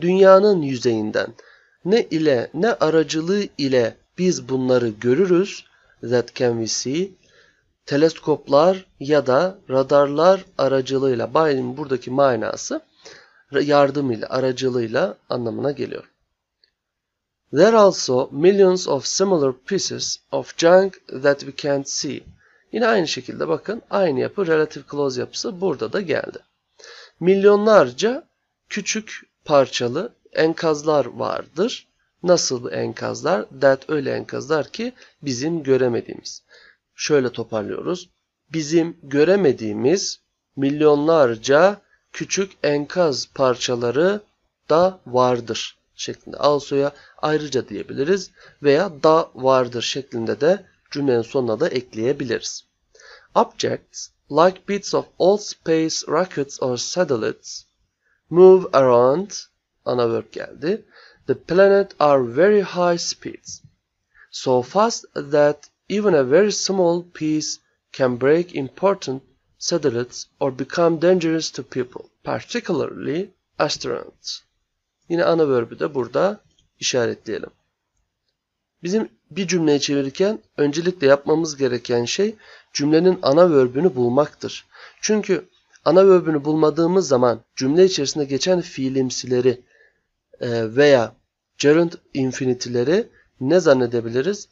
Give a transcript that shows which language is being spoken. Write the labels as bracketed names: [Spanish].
[Turkish] Dünyanın yüzeyinden. Ne ile, ne aracılığı ile biz bunları görürüz? [English] That can we see? [Turkish] Teleskoplar ya da radarlar aracılığıyla. By'in buradaki manası yardımıyla, aracılığıyla anlamına geliyor. [English] There also millions of similar pieces of junk that we can't see. [Turkish] Yine aynı şekilde bakın, aynı yapı, relative clause yapısı burada da geldi. Milyonlarca küçük parçalı enkazlar vardır. Nasıl bu enkazlar? That öyle enkazlar ki bizim göremediğimiz. Şöyle toparlıyoruz. Bizim göremediğimiz milyonlarca küçük enkaz parçaları da vardır şeklinde. Also'ya ayrıca diyebiliriz veya da vardır şeklinde de cümlenin sonuna da ekleyebiliriz. [English] Objects like bits of old space rockets or satellites move around. [Turkish] Ana verb geldi. [English] The planet are very high speeds. So fast that even a very small piece can break important satellites or become dangerous to people, particularly astronauts. [Turkish] Yine ana verb'ü de burada işaretleyelim. Bizim bir cümleyi çevirirken öncelikle yapmamız gereken şey cümlenin ana verbünü bulmaktır. Çünkü ana verbünü bulmadığımız zaman cümle içerisinde geçen fiilimsileri veya gerund infinitileri ne zannedebiliriz?